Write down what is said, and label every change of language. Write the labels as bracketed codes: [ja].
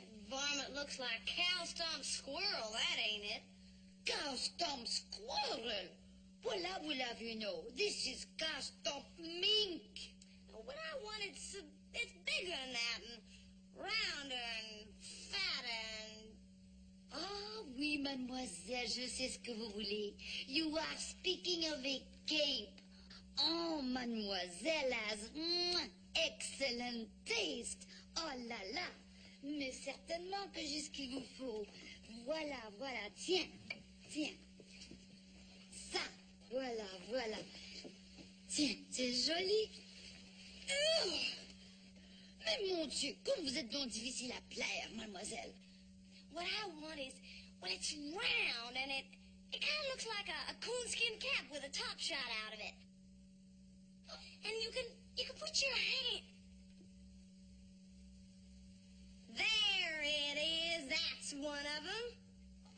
[en] Varmint looks like cow stomp squirrel, that ain't it. Cow stomp squirrel? Well, I will have you know, this is cow stomp mink. Now, what I want, it's bigger than that, and rounder, and fatter, and... [fr] Ah, oui, mademoiselle, je sais ce que vous voulez. [en] You are speaking of a cape. Oh, mademoiselle has excellent taste. [fr] Oh là là, mais certainement que j'ai ce qu'il vous faut. Voilà, voilà, tiens, tiens. Ça, voilà, voilà. Tiens, c'est joli. Mais mon Dieu, comme vous êtes donc difficile à plaire, mademoiselle. [en] What I want is, well, it's round and it kind of looks like a coonskin cap with a top shot out of it. And you can put your hand. There it is. That's one of them.